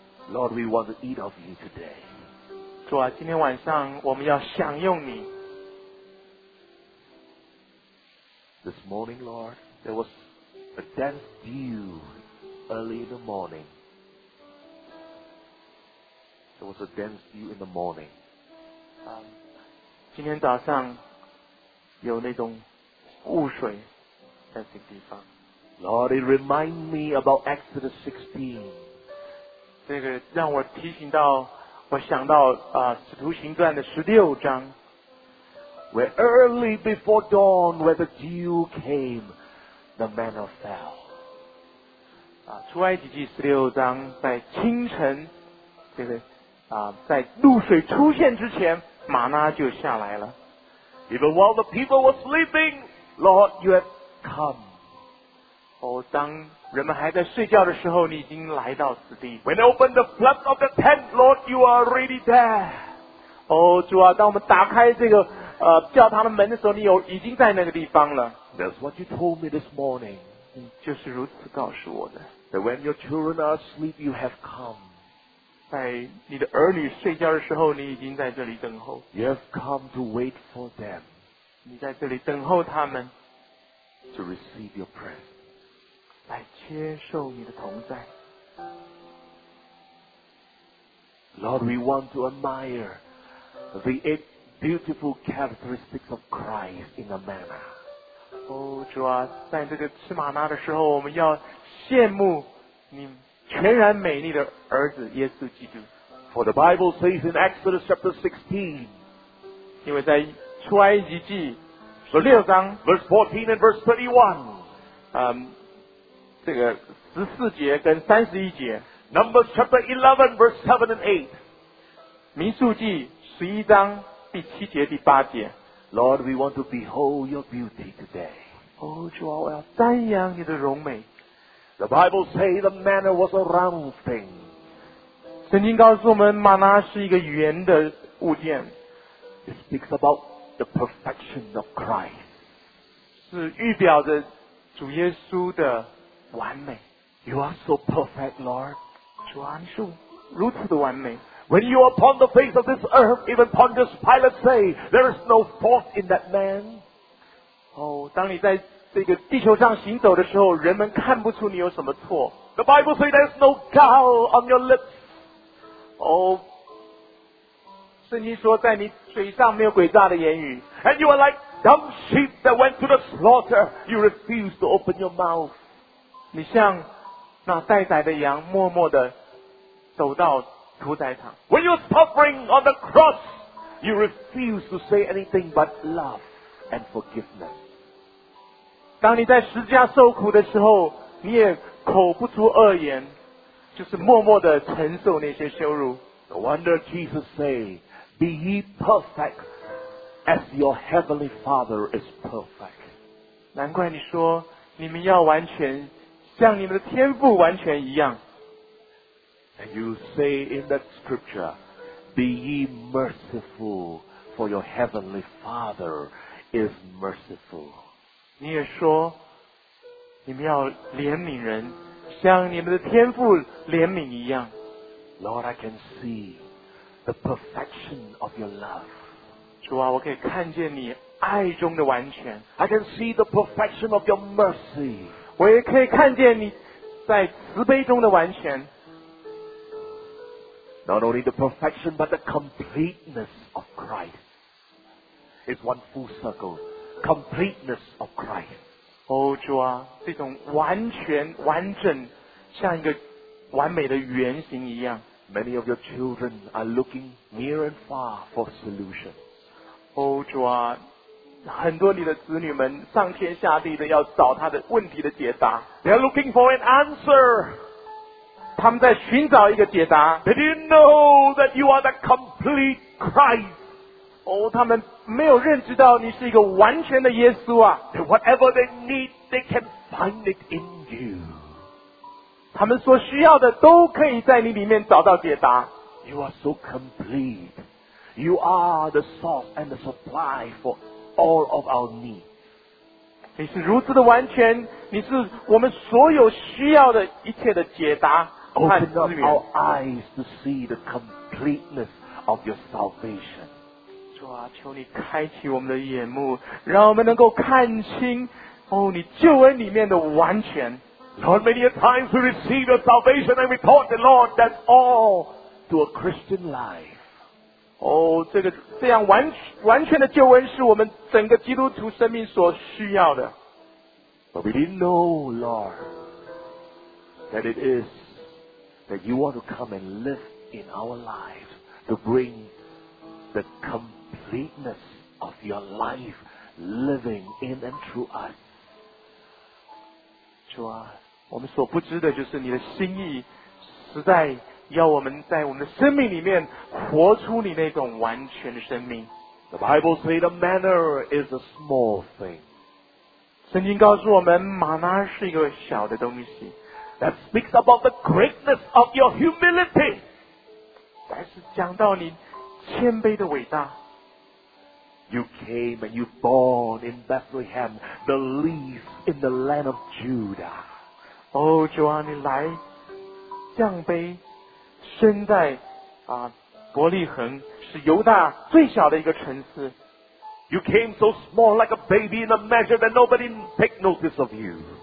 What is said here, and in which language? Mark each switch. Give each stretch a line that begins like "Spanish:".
English: Lord, we want to eat of you today.
Chinese: 主啊，今天晚上我们要享用你。
English: This morning, Lord, there was a dense dew early in the morning. There was a dense dew in the morning.
Chinese: 今天早上有那种雾水在这个地方。
English: Lord, it reminds me about Exodus 16.
Chinese: 这个让我提醒到，我想到使徒行传的十六章。
English: Where early before dawn, where the dew came, the manna fell.
Chinese: 出埃及记十六章，在清晨，这个在露水出现之前，玛纳就下来了。
English: Even while the people were sleeping, Lord, you have come.
Chinese: 当人们还在睡觉的时候，你已经来到此地。
English: When they opened the flaps of the tent, Lord, you are already there.
Chinese: 主啊，当我们打开这个叫他们门的时候，你有已经在那个地方了。
English: That's what you told me this morning.
Chinese: 你就是如此告诉我的。
English: That when your children are asleep, you have come.
Chinese: 在你的儿女睡觉的时候，你已经在这里等候。
English: You have come to wait for them.
Chinese: 你在这里等候他们。
English: To receive your presence.
Chinese: 来接受你的同在。
English: Lord, we want to admire the eight beautiful characteristics of Christ in a manner.
Chinese: 主啊，在这个吃玛纳的时候，我们要羡慕你全然美丽的儿子耶稣基督。
English: For the Bible says in Exodus chapter 16,
Chinese: 因为在出埃及记十六章
English: verse 14 and verse 31,
Chinese: 这个十四节跟三十一节
English: Numbers chapter 11 verse 7 and 8,
Chinese: 民数记十一章第七节第八节
English: Lord, we want to behold your beauty today.
Chinese: 主啊，我要瞻仰你的荣美。
English: The Bible says the manna was a round thing.
Chinese: 圣经告诉我们，玛纳是一个圆的物件。
English: It speaks about the perfection of Christ.
Chinese: 是预表着主耶稣的完美。
English: You are so perfect, Lord.
Chinese: 主啊，你是如此的完美。
English: When you are upon the face of this earth, even Pontius Pilate say, there is no fault in that man.
Chinese: 当你在这个地球上行走的时候，人们看不出你有什么错。
English: The Bible say there is no gall on your lips.
Chinese: 圣经说在你嘴上没有诡诈的言语。
English: And you are like dumb sheep that went to the slaughter. You refuse to open your mouth.
Chinese: 你像那待宰的羊，默默地走到
English: When you're suffering on the cross, you refuse to say anything but love and forgiveness.
Chinese: 当你在十字架受苦的时候，你也口不出恶言，就是默默地承受那些羞辱。
English: No wonder Jesus say, "Be ye perfect, as your heavenly Father is perfect."
Chinese: 难怪你说你们要完全，像你们的天父完全一样。
English: And you say in that scripture, Be ye merciful, for your heavenly Father is merciful.
Chinese: 你也说，你们要怜悯人，像你们的天父怜悯一样。
English: Lord, I can see the perfection of your love.
Chinese: 主啊，我可以看见你爱中的完全。
English: I can see the perfection of your mercy.
Chinese: 我也可以看见你在慈悲中的完全。
English: Not only the perfection, but the completeness of Christ. It's one full circle. Completeness of Christ.
Chinese: 主啊，这种完全完整，像一个完美的圆形一样。
English: Many of your children are looking near and far for solutions.
Chinese: 主啊，很多你的子女们上天下地的要找他的问题的解答。
English: They are looking for an answer.
Chinese: 他们在寻找一个解答。
English: They didn't know that you are the complete Christ.
Chinese: 他们没有认知到你是一个完全的耶稣啊。
English: And whatever they need, they can find it in you.
Chinese: 他们所需要的都可以在你里面找到解答。
English: You are so complete. You are the source and the supply for all of our needs.
Chinese: 你是如此的完全，你是我们所有需要的一切的解答
English: Open up our eyes to see the completeness of your salvation.
Chinese: 主啊，求你开启我们的眼目，让我们能够看清哦，你救恩里面的完全。
English: Lord, many a times we receive your salvation and we thought, the Lord, that's all to a Christian life.
Chinese: 哦，这样完全的救恩是我们整个基督徒生命所需要的。
English: But we didn't know, Lord, that it is that you want to come and live in our lives to bring the completeness of your life living in and through us.
Chinese: 主啊，我们所不知的就是你的心意实在要我们在我们的生命里面活出你那种完全的生命。
English: The Bible says the manna is a small thing.
Chinese: 圣经告诉我们玛纳是一个小的东西。
English: That speaks about the greatness of your humility.
Chinese: 但是讲到你谦卑的伟大。
English: You came and you born in Bethlehem, the least in the land of Judah.
Chinese: 哦，主啊，你来降卑，生在啊伯利恒，是犹大最小的一个城市。
English: You came so small, like a baby in a manger, that nobody take notice of you.